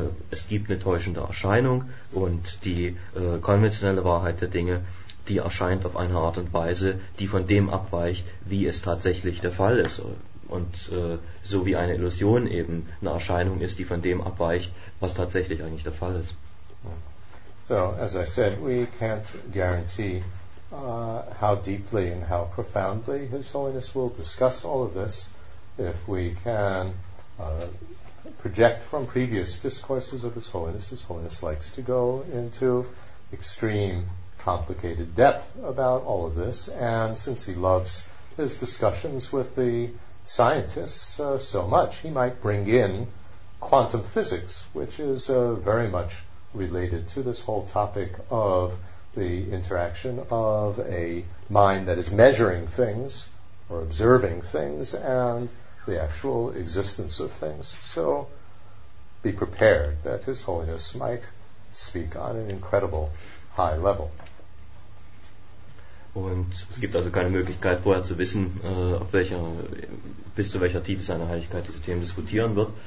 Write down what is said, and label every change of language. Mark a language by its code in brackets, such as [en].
[de] Es gibt eine täuschende Erscheinung und die konventionelle Wahrheit der Dinge, die erscheint auf eine Art und Weise, die von dem abweicht, wie es tatsächlich der Fall ist Und so wie eine Illusion eben eine Erscheinung ist, die von dem abweicht, was tatsächlich eigentlich der Fall ist. [en] So, as I said, we can't guarantee how deeply and how profoundly His Holiness will discuss all of this. If we can project from previous discourses of His Holiness likes to go into extreme complicated depth about all of this, and since He loves His discussions with the scientists so much, He might bring in quantum physics, which is very much related to this whole topic of the interaction of a mind that is measuring things or observing things and the actual existence of things. So be prepared that His Holiness might speak on an incredible high level. [de] Und es gibt also keine Möglichkeit, vorher zu wissen, auf welcher, bis zu welcher Tiefe seine Heiligkeit diese Themen diskutieren wird.